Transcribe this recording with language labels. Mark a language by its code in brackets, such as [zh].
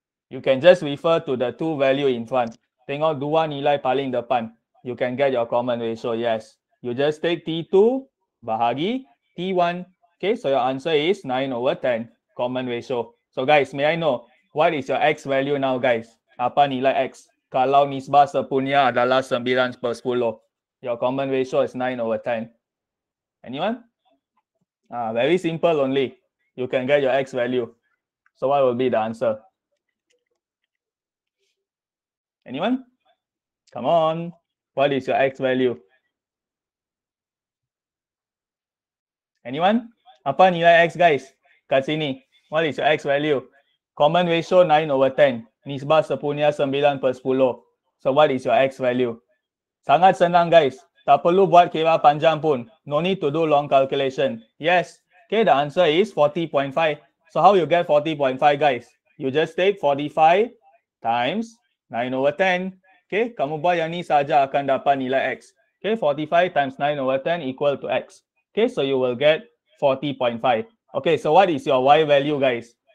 [en] You can just refer to the two value in front. [ms] Tengok dua nilai paling depan. [en] You can get your common ratio, yes. You just take T2 bahagi T1. Okay, so your answer is 9 over 10, common ratio. So guys, may I know, what is your x value now, guys? [ms] Apa nilai x? Kalau nisbah sepunya adalah 9 per 10. [en] Your common ratio is 9 over 10. Anyone? Very simple only. You can get your x value. So what will be the answer? Anyone? Come on. What is your x value? Anyone? [ms] Apa nilai x, [en] guys? [ms] Kat sini. [en] What is your x value? Common ratio 9 over 10. [ms] Nisbah sepunya 9 per 10. [en] So what is your x value? [ms] Sangat senang, [en] guys. [ms] Tak perlu buat kira panjang pun. [en] No need to do long calculation. Yes. Okay, the answer is 40.5. So how you get 40.5, guys? You just take 45 times 9 over 10. [ms] Okay, kamu buat yang ni saja akan dapat nilai X. [en] Okay, 45 times 9 over 10 equal to X. Okay, so you will get 40.5. Okay, so what is your Y value, guys?